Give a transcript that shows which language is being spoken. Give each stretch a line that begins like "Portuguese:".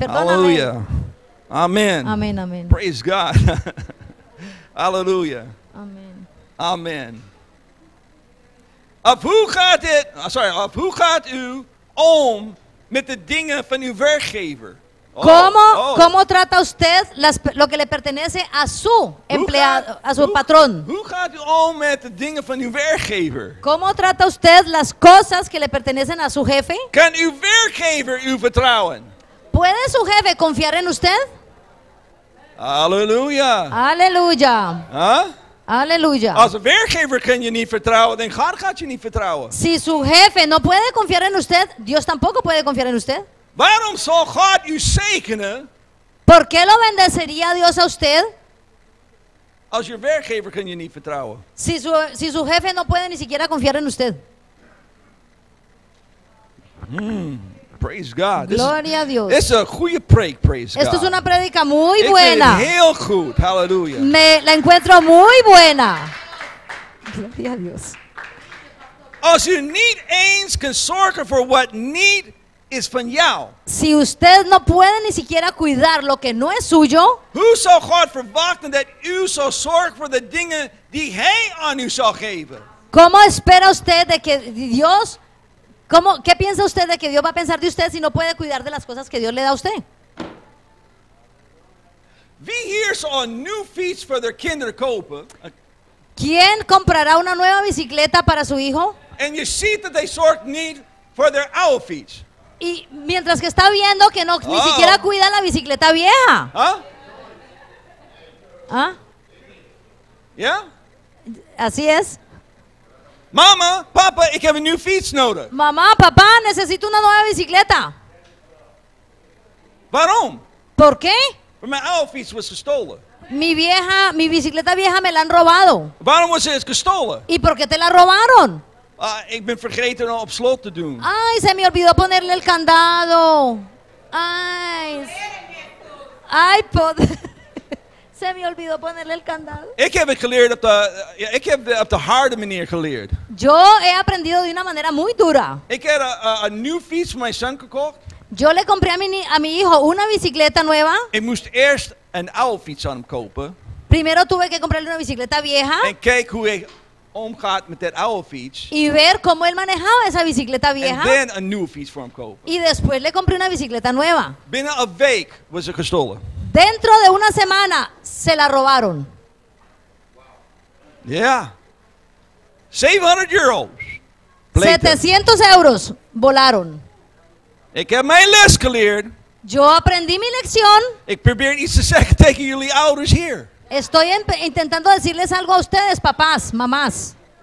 Spanish: Aleluya. Amén. Amén, amén.
English: Praise God. Aleluya.
Spanish: Amén.
Dutch: Amén. Of hoe gaat het? Sorry, of hoe gaat u om met de dingen van uw werkgever?
Spanish: ¿Cómo trata usted lo que le pertenece a su empleado, a su patrón?
Dutch: Hoe gaat u om met de dingen van uw werkgever?
Spanish: ¿Cómo trata usted las cosas que le pertenecen a su jefe?
Dutch: Kan uw werkgever u vertrouwen?
Spanish: ¿Puede su jefe confiar en usted? Aleluya. Aleluya. Aleluya.
Dutch: Als werkgever kan je niet vertrouwen, dan God gaat je niet vertrouwen.
Spanish: Si su jefe no puede confiar en usted, Dios tampoco puede confiar en usted.
Dutch: Waarom zal God u zegenen?
Spanish: ¿Por qué lo bendeciría Dios a usted?
Dutch: Als je werkgever kan je niet vertrouwen.
Spanish: Si su jefe no puede ni siquiera confiar en usted.
English: Praise God.
Spanish: Gloria a Dios. Es una
Dutch: goede preek,
English: praise God.
Spanish: Esto es una predica muy buena.
Dutch: Ik vind het heel goed. Hallelujah.
Spanish: Me la encuentro muy buena. Gloria a Dios.
Dutch: Als u niet eens kan zorgen voor wat niet is van jou.
Spanish: Si usted no puede ni siquiera cuidar lo que no es suyo.
Dutch: Hoe zal God verwachten dat u zal zorgen voor de dingen die hij aan u zal geven?
Spanish: ¿Cómo espera usted de que Dios? ¿Cómo, qué piensa usted de que Dios va a pensar de usted si no puede cuidar de las cosas que Dios le da a usted?
Dutch: Wie hier zal een new fiets voor their kinder kopen?
Spanish: ¿Quién comprará una nueva bicicleta para su hijo?
English: And you see that they sort need for their old fiets.
Spanish: Y mientras que está viendo que no ni siquiera cuida la bicicleta vieja. ¿Ah? ¿Ah?
English: Yeah.
Spanish: Así es.
Dutch: Mama, papa, ik heb een nieuw fiets nodig.
Spanish: Mamá, papá, necesito una nueva bicicleta.
Dutch: Waarom?
Spanish: ¿Por qué?
Dutch: Mijn oude fiets was gestolen.
Spanish: Mi bicicleta vieja me la han robado.
Dutch: Waarom was het gestolen?
Spanish: ¿Y por qué te la robaron?
Dutch: Ik ben vergeten om op slot te doen.
Spanish: Ay, se me olvidó ponerle el candado. Ay. Ay, pod. Se me olvidó ponerle el candado.
Dutch: Ik heb het geleerd op de harde manier geleerd.
Spanish: Yo he aprendido de una manera muy dura.
Dutch: Ik heb een nieuw fiets voor mijn zoon gekocht.
Spanish: Yo le compré a mi hijo una bicicleta nueva.
Dutch: Ik moest eerst een oude fiets aan hem kopen.
Spanish: Primero tuve que comprarle una bicicleta vieja.
Dutch: En kijk hoe hij omgaat met dat oude fiets.
Spanish: Y ver cómo él manejaba esa bicicleta vieja.
English: And then a new
Dutch: fiets voor hem kopen.
Spanish: Y después le compré una bicicleta nueva.
Dutch: Binnen een week was het gestolen.
Spanish: Dentro de una semana se la robaron.
English: Yeah. 700 euros.
Spanish: 700 euros volaron.
Dutch: Ik heb mijn les geleerd.
Spanish: Yo aprendí mi lección.
Dutch: Ik probeer iets te zeggen tegen jullie ouders hier.
Spanish: Estoy intentando decirles algo a ustedes, papás, mamás.